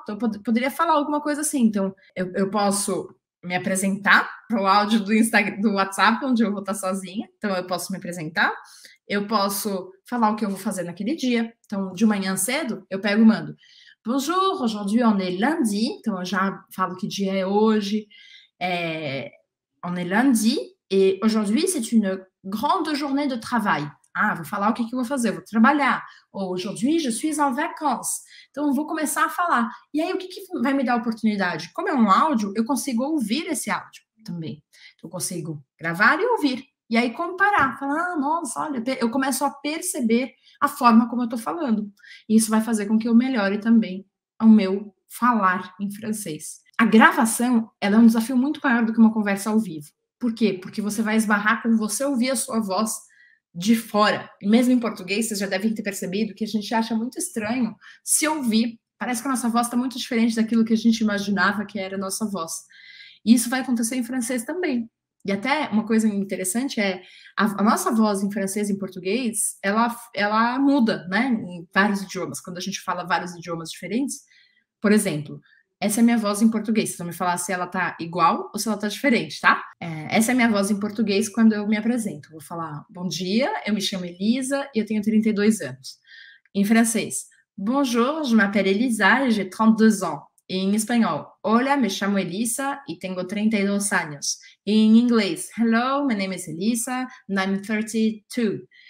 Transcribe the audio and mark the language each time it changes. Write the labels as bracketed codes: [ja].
[pt] Então, poderia falar alguma coisa assim. Então, eu posso me apresentar para o áudio do Instagram, do WhatsApp, onde eu vou estar sozinha. Então, eu posso me apresentar. Eu posso falar o que eu vou fazer naquele dia. Então, de manhã cedo, eu pego e mando: [fr] Bonjour, aujourd'hui on est lundi. [pt] Então, eu já falo que dia é hoje. [fr] On est lundi. Et aujourd'hui, c'est une grande journée de travail. [pt] Ah, vou falar o que que eu vou fazer, vou trabalhar. [fr] Ou aujourd'hui, je suis en vacances. [pt] Então, eu vou começar a falar. E aí, o que que vai me dar a oportunidade? Como é um áudio, eu consigo ouvir esse áudio também. Então, eu consigo gravar e ouvir. E aí, comparar. Falar: ah, nossa, olha, eu começo a perceber a forma como eu estou falando. E isso vai fazer com que eu melhore também o meu falar em francês. A gravação, ela é um desafio muito maior do que uma conversa ao vivo. Por quê? Porque você vai esbarrar com você ouvir a sua voz de fora. Mesmo em português, vocês já devem ter percebido que a gente acha muito estranho se ouvir. Parece que a nossa voz está muito diferente daquilo que a gente imaginava que era a nossa voz. E isso vai acontecer em francês também. E até uma coisa interessante é a nossa voz em francês e em português, ela muda, né? Em vários idiomas. Quando a gente fala vários idiomas diferentes, por exemplo, essa é a minha voz em português. Vocês vão me falar se ela tá igual ou se ela tá diferente, tá? Essa é a minha voz em português quando eu me apresento. Vou falar: Bom dia, eu me chamo Elisa e eu tenho 32 anos. Em francês: [fr] Bonjour, je m'appelle Elisa et j'ai 32 ans. [pt] Em espanhol: [es] Hola, me chamo Elisa e tenho 32 anos. [pt] Em inglês: [en] Hello, my name is Elisa and I'm 32.